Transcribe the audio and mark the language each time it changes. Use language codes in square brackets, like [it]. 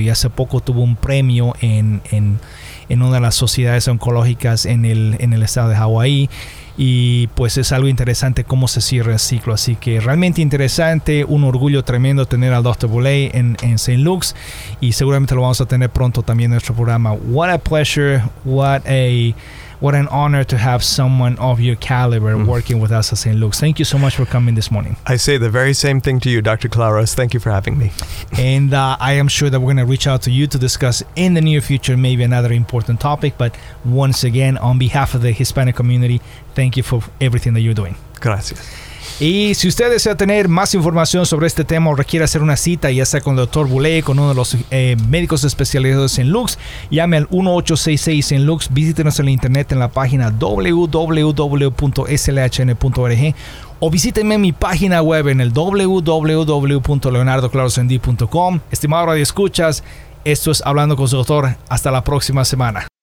[es] Y hace poco tuvo un premio en una de las sociedades oncológicas en el estado de Hawái. Y pues es algo interesante cómo se cierra el ciclo. Así que realmente interesante, un orgullo tremendo tener al Dr. Boulay en St. Luke's. Y seguramente lo vamos a tener pronto también en nuestro programa. [en] What a pleasure, what an honor to have someone of your caliber working with us at St. Luke's. Thank you so much for coming this morning. I say the very same thing to you, Dr. Claros. Thank you for having me. And I am sure that we're going to reach out to you to discuss in the near future maybe another important topic. But once again, on behalf of the Hispanic community, thank you for everything that you're doing. [es] Gracias. Y si usted desea tener más información sobre este tema o requiere hacer una cita, ya sea con el Dr. Boulay, con uno de los médicos especializados en Lux, llame al 1-866-SENLUX, visítenos en la internet en la página www.slhn.org o visítenme en mi página web en el www.leonardoclarosendi.com. Estimado radioescuchas, esto es Hablando con su Doctor. Hasta la próxima semana.